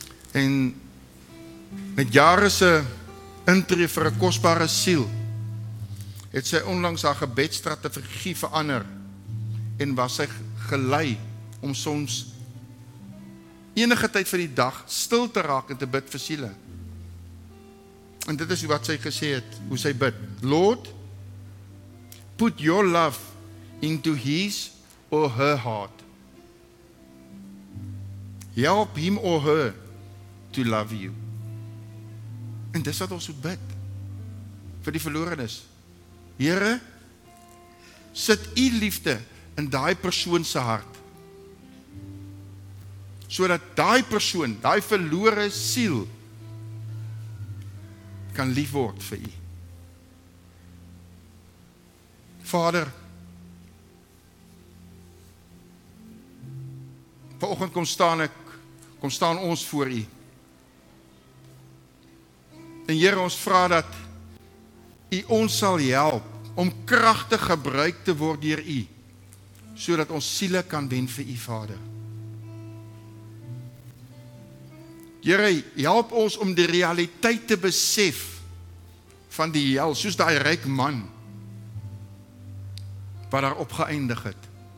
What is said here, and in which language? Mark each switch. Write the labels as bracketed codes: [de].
[af] En met jare se intree vir 'n kosbare siel, het sy onlangs haar gebedsstrategie verander en was sy gelei om soms enige tyd van die dag stil te raak en te bid vir siele. En dit is wat sy gesê het, hoe sy bid. [en] Lord, put your love into his or her heart. Help him or her to love you. [af] En dis wat ons moet bid vir die verlorenes. Here, sit u liefde in daai persoon se hart. Sodat daai persoon, daai verlore siel kan lief word vir u. Vader, vanoggend kom staan ek, kom staan ons voor u. En Here, ons vra dat u ons sal help om kragtig gebruik te word deur u, sodat ons siele kan wen vir u, Vader. Here, help ons om die realiteit te besef van die hel, soos daai ryk man wat daar op geëindig het.